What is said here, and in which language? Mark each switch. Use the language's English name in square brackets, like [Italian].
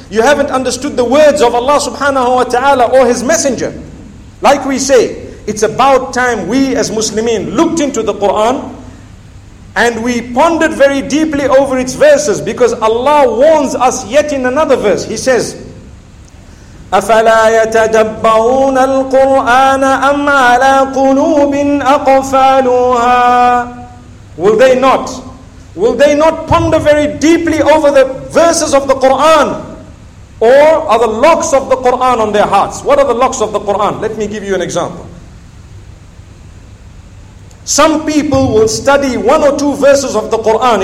[English] You haven't understood the words of Allah subhanahu wa ta'ala or His Messenger. Like we say, it's about time we as Muslimin looked into the Quran and we pondered very deeply over its verses, because Allah warns us yet in another verse. He says, [Arabic] أفلا يتدبرون القرآن أم على قلوب أقفالها. [English] Will they not ponder very deeply over the verses of the Quran? Or are the locks of the Quran on their hearts? What are the locks of the Quran? Let me give you an example. Some people will study one or two verses of the Quran.